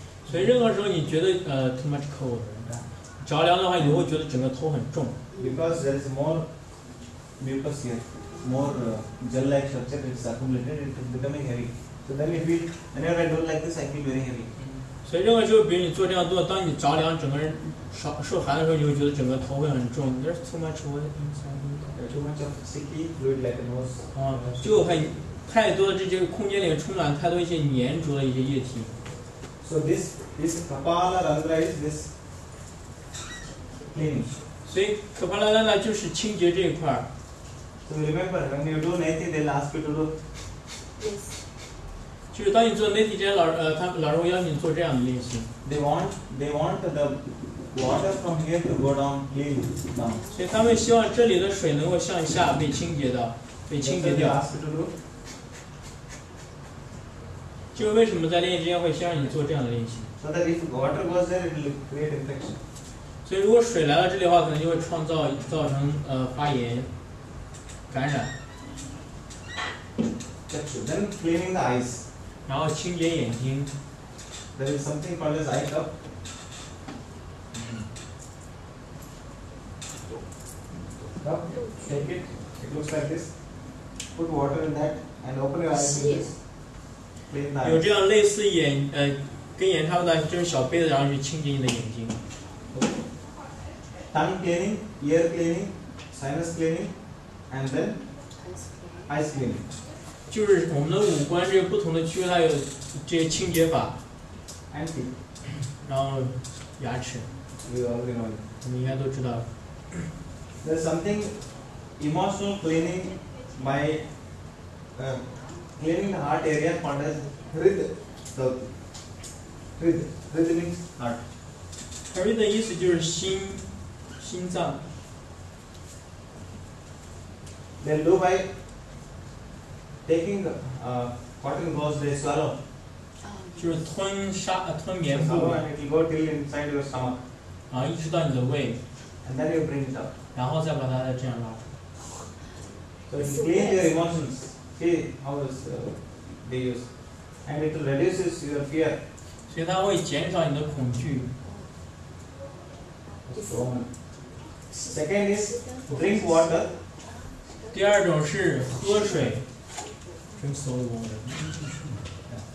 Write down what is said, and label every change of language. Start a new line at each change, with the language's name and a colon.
Chinese: 所以任何时候你觉得
English: too much cold,
Chinese: 着凉的话，你会觉得整个头很重。
English: Because there is more mucus here, more gel-like structure is accumulated, it is becoming heavy. So then you feel whenever I do like this, I feel very heavy.
Chinese: 所以任何时候，比如你做这样做，当你着凉，整个人受寒的时候，你会觉得整个头会很重。
English: There's too much weight inside. There's too much of sticky fluid like a nose.
Chinese: 啊，就很太多的这些空间里充满太多一些粘着的一些液体。
English: So this kapala rantra is this cleaning.
Chinese: 所以可巴拉拉拉就是清洁这一块。
English: So remember, when you do neti, they'll ask you to do. Yes.
Chinese: 就是当你做neti之前，老师会要你做这样的练习。
English: They want the water from here to go down clean down.
Chinese: 所以他们希望这里的水能够向下被清洁的，被清洁掉。
English: That's what they ask you to do.
Chinese: 就为什么在练习之间会先让你做这样的练习？
English: So that if water goes there, it will create infection.
Chinese: 所以如果水来到这里的话，可能就会造成发炎、感染。
English: That's true. Then cleaning the eyes.
Chinese: 然后清洁眼睛。
English: There is something called as eye cup. 嗯。 Take it. It looks like this. Put water in that and open your eyes with this.
Chinese: 有这样类似眼跟眼差不多的就是小杯子，然后去清洁你的眼睛。
English: Tongue cleaning, ear cleaning, sinus cleaning, and then eyes cleaning.
Chinese: 就是我们的五官这个不同的区域，它有这些清洁法。
English: And teeth.
Chinese: 然后牙齿。
English: We already know.
Chinese: 你应该都知道。
English: There's something emotional cleaning by. Cleaning the heart area called as Hrida. Hrida means heart.
Chinese: Hrida 的意思就是心脏。
English: They do by taking the cotton balls they swallow.
Chinese: 就是吞棉布。
English: Swallow and it will go till inside your stomach.
Chinese: 然后一直到你的胃。
English: And then you bring it up.
Chinese: 然后再把它这样拉。
English: So you clean your emotions. See how is they use, and it reduces your fear.
Chinese: 所以它会减少你的恐惧。
English: Second is drink water.
Chinese: 第二种是喝水。
English: Drink some water. Yeah.